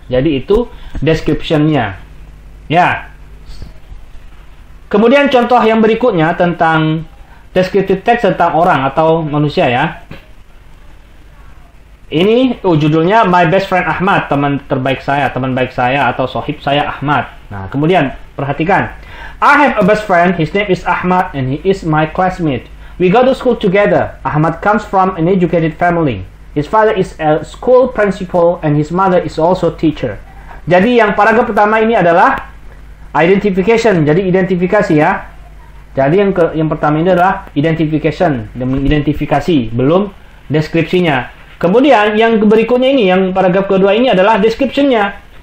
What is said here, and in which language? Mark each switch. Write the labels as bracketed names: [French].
[Indonesian] Jadi itu description-nya. Ya. Kemudian contoh yang berikutnya tentang descriptive text tentang orang atau manusia ya. Ini judulnya My Best Friend Ahmad, teman terbaik saya, teman baik saya atau sohib saya Ahmad. Nah, kemudian perhatikan. [English] I have a best friend, his name is Ahmad and he is my classmate. We go to school together. Ahmad comes from an educated family. His father is a school principal and his mother is also teacher. [Indonesian] Jadi yang paragraf pertama ini adalah identification, jadi identifikasi ya. Jadi yang pertama ini adalah identification, mengidentifikasi, belum deskripsinya. Kemudian yang berikutnya ini, yang paragraf kedua ini adalah description-nya.